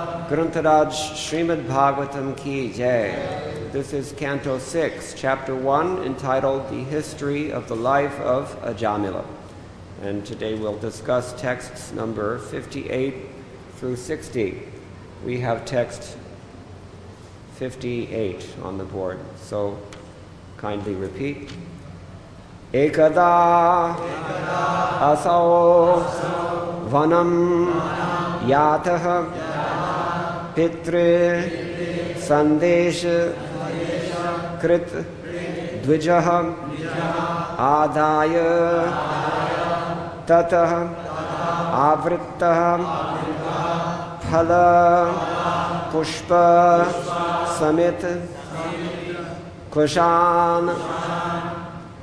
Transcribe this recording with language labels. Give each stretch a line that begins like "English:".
Hindi: ग्रंथराज श्रीमद्भागवतम की जय।
English: This is Canto 6, Chapter 1, entitled The History of the Life of Ajamila. And today we'll discuss texts number 58 through 60. We have text 58 on the board. So kindly repeat.
Sanskrit: Ekada asau vanam yataha pitre sandesha कृत द्विजः आदाय ततः आवृत्तः फल पुष्प समेत कुशान।